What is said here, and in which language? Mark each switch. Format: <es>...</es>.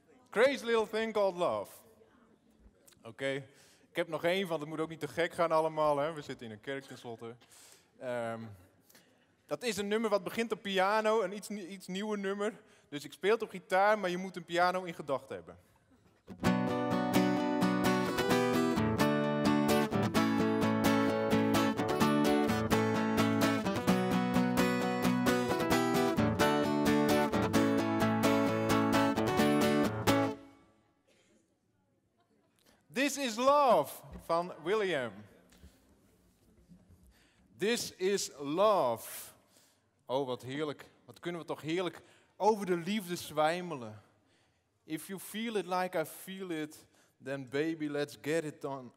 <en>Crazy little thing called love.</en> <nl>Oké. Ik heb nog één, want het moet ook niet te gek gaan allemaal, hè? We zitten in een kerk tenslotte. Dat is een nummer wat begint op piano, een iets nieuwer nummer. Dus ik speel het op gitaar, maar je moet een piano in gedachten hebben. This is Love van William. This is Love. Oh, wat heerlijk. Wat kunnen we toch heerlijk over de liefde zwijmelen.</nl> <en>If you feel it like I feel it, then baby, let's get it on.</en>